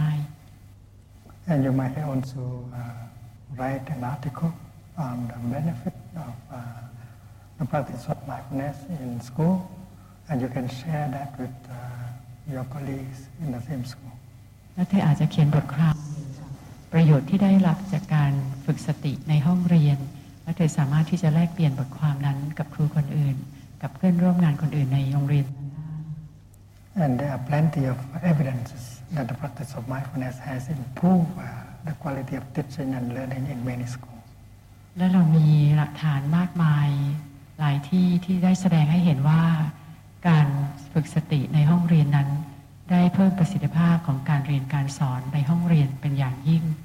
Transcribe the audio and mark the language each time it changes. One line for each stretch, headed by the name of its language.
English: And you might also write an article on the benefit of the practice of mindfulness in school, and you can share that with your colleagues in the same school.
Thai: แล้วเธออาจจะเขียนบทความประโยชน์ที่ได้รับจากการฝึกสติในห้องเรียนและเธอสามารถที่จะแลกเปลี่ยนบทความนั้นกับครูคนอื่นกับเพื่อนร่วมงานคนอื่นในโรงเรียน
English: And there are plenty of evidences that the practice of mindfulness has improved the quality of teaching and learning in many schools.
Thai: และเรามีหลักฐานมากมายหลายที่ที่ได้แสดงให้เห็นว่าการฝึกสติในห้องเรียนนั้นได้เพิ่มประสิทธิภาพของการเรียนการสอนในห้องเรียนเป็นอย่างยิ่ง